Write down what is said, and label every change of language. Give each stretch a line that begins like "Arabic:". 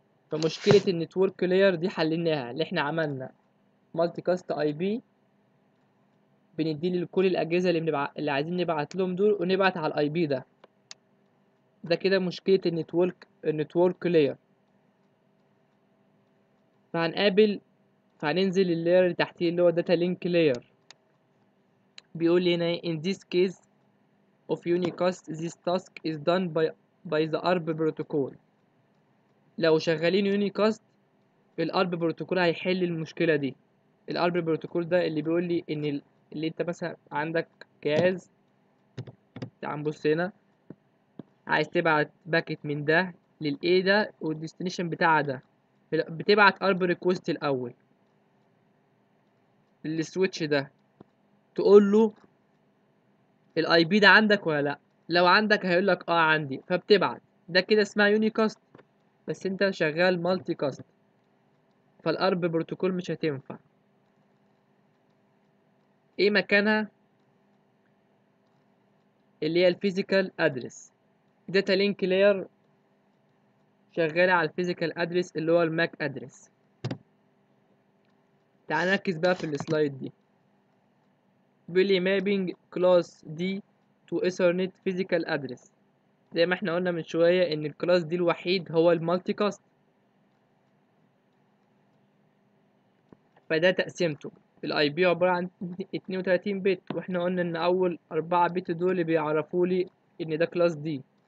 Arabic: فمشكلة النتورك لاير دي حليناها، اللي احنا عملنا مالتيكاست اي بي بندي لكل الاجهزة اللي عايزين نبعت لهم دول ونبعت على الاي بي ده. ده كده مشكلة النتورك لاير. فهننزل اللاير اللي تحتيه اللي هو داتا لينك لاير. بيقول لي هنا
English: in this case of unicast this task is done by the ARP protocol.
Arabic: لو شغالين unicast الARP protocol هيحل المشكلة دي. الARP protocol ده اللي بيقول لي ان اللي انت مثلا عندك جهاز، تعال نبص هنا، عايز تبعت باكيت من ده للاي ده والديستنيشن بتاعه ده، بتبعت ARP request الاول للسويتش ده تقول له الاي بي ده عندك ولا لا. لو عندك هيقول لك اه عندي فبتبعت. ده كده اسمها يونيكاست، بس انت شغال مالتي كاست فالارب بروتوكول مش هتنفع. ايه مكانها؟ اللي هي الفيزيكال ادرس. داتا لينك لاير شغالة على الفيزيكال ادرس اللي هو الماك ادرس. تعال نركز بقى في السلايد دي.
English: بيقولي mapping class D to Ethernet physical address.
Arabic: زي ما احنا قلنا من شوية ان الكلاس دي الوحيد هو المالتيكاست، فده تقسيمته. الاي بي عبارة عن 32 بت، واحنا قلنا ان اول 4 بت دول بيعرفوا لي ان ده كلاس دي.